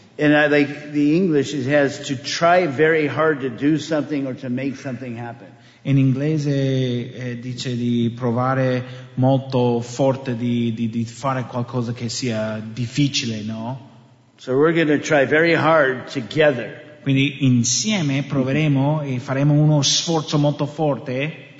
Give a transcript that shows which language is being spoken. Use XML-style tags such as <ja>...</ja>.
<en>And I like the English, it has to try very hard to do something or to make something happen.</en> <it>In inglese dice di provare molto forte di fare qualcosa che sia difficile, no?</it> <en>So we're going to try very hard together.</en> <it>Quindi insieme proveremo e faremo uno sforzo molto forte,</it>